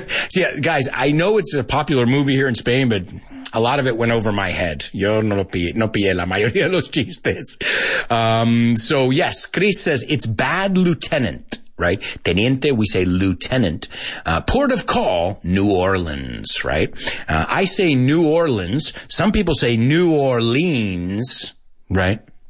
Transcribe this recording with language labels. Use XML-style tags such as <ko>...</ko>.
<en>See, guys, I know it's a popular movie here in Spain, but a lot of it went over my head.</en> <es>Yo no pillé la mayoría de los chistes.</es> <en>So, yes, Chris says, it's Bad Lieutenant, right? Teniente, we say lieutenant. Port of call, New Orleans, right? I say New Orleans. Some people say New Orleans, right?</en>